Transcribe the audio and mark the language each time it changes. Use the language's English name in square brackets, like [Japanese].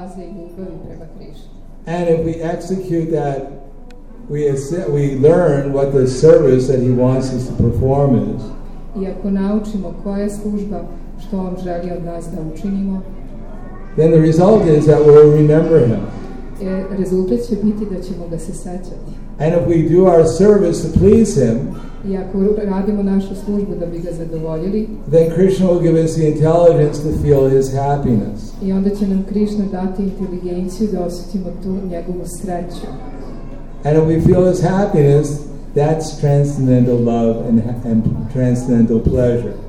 [English] And if we execute that, we learn what the service that he wants us to perform is. [Serbian] I ako naučimo koja je služba što on želi od nas da učinimo, [English] then the result is that we'll remember him. [Serbian] Rezultat će biti da ćemo ga se sećati. [English] And if we do our service to please him, [Serbian] i ako radimo našu službu da bi ga zadovoljili, [English] then Krishna will give us the intelligence to feel his happiness. [Serbian] I onda će nam Krishna dati inteligenciju da osjetimo tu njegovu sreću. [English] And if we feel his happiness, that's transcendental love and transcendental pleasure.